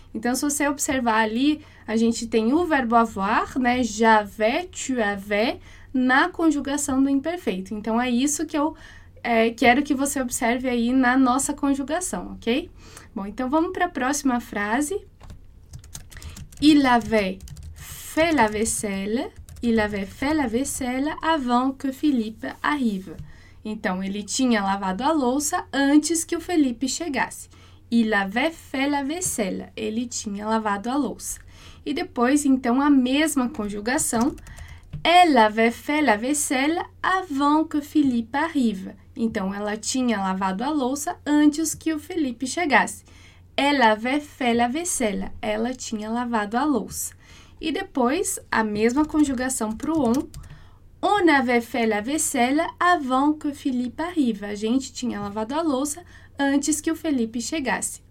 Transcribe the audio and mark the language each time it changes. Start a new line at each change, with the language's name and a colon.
Portuguese: Então, se você observar ali, a gente tem o verbo avoir, né,
French: j'avais, tu avais,
Portuguese: na conjugação do imperfeito. Então, é isso que eu... quero que você observe aí na nossa conjugação, ok? Bom, então vamos para a próxima frase.
French: Il avait fait la vaisselle. Il avait fait la vaisselle avant que Philippe arrive.
Portuguese: Então, ele tinha lavado a louça antes que o Felipe chegasse.
French: Il avait fait la vaisselle.
Portuguese: Ele tinha lavado a louça. E depois, então, a mesma conjugação.
French: Elle avait fait la vaisselle avant que Philippe arrive.
Portuguese: Então, ela tinha lavado a louça antes que o Felipe chegasse.
French: Elle avait fait la vaisselle.
Portuguese: Ela tinha lavado a louça. E depois, a mesma conjugação para o on.
French: On avait fait la vaisselle avant que Philippe arrive.
Portuguese: A gente tinha lavado a louça antes que o Felipe chegasse.